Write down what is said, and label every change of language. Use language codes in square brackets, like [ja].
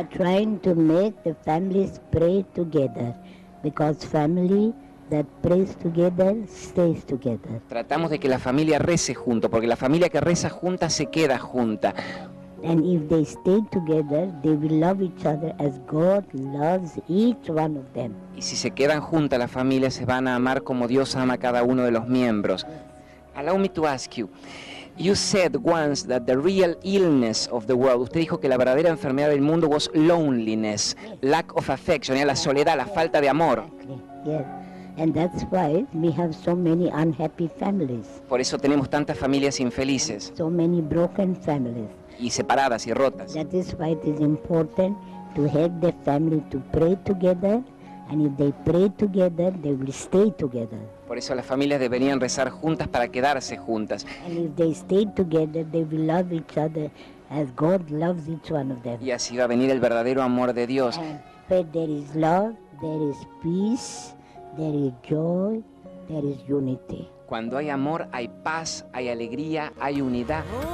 [en] We are trying to make the families pray together, because family that prays together stays together. [es] Tratamos de que la familia rece junto, porque la familia que reza junta se queda junta. [en] And if they stay together, they will love each other as God loves each one of them. [es] Y si se quedan juntas la familia, se van a amar como Dios ama a cada uno de los miembros. [en] Allow me to ask you. You said once that the real illness of the world, [es] usted dijo que la verdadera enfermedad del mundo [en] was loneliness, lack of affection, [es] la soledad, la falta de amor. [en] Yes. And that's why we have so many unhappy families. [es] Por eso tenemos tantas familias infelices. [en] So many broken families. [es] Y separadas y rotas. [en] That is why it is important to help the family to pray together, and if they pray together, they will stay together. [es] Por eso las familias deberían rezar juntas para quedarse juntas. [en] And if they stay together, they will love each other as God loves each one of them. [es] Y así va a venir el verdadero amor de Dios. [en] And where there is love, there is peace. There is joy, there is unity. [es] Cuando hay amor, hay paz, hay alegría, hay unidad.